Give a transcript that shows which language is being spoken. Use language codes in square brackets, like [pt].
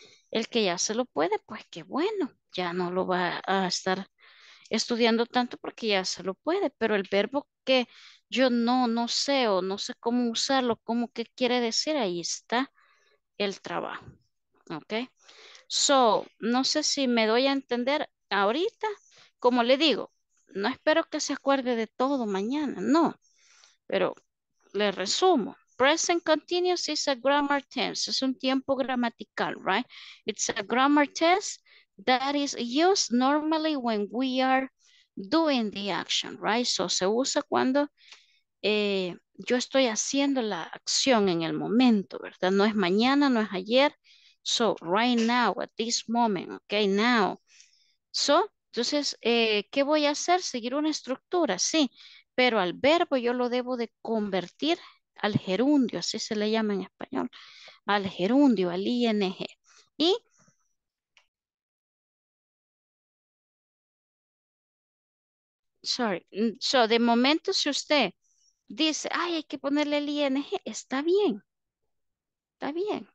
[es] El que ya se lo puede, pues qué bueno, ya no lo va a estar estudiando tanto porque ya se lo puede, pero el verbo que yo no sé o no sé cómo usarlo, cómo qué quiere decir, ahí está el trabajo, ¿ok? So, no sé si me doy a entender ahorita, como le digo, no espero que se acuerde de todo mañana, no, pero le resumo. [en] Present continuous is a grammar tense, [es] es un tiempo gramatical, [en] right? It's a grammar tense that is used normally when we are doing the action, right? [es] So, se usa cuando yo estoy haciendo la acción en el momento, ¿verdad? No es mañana, no es ayer. [en] So, right now, at this moment, okay, now. [es] So, entonces, ¿qué voy a hacer? Seguir una estructura, sí. Pero al verbo yo lo debo de convertir al gerundio, así se le llama en español. Al gerundio, al ing. Y sorry, so de momento si usted dice, ay, hay que ponerle el ing, está bien, está bien.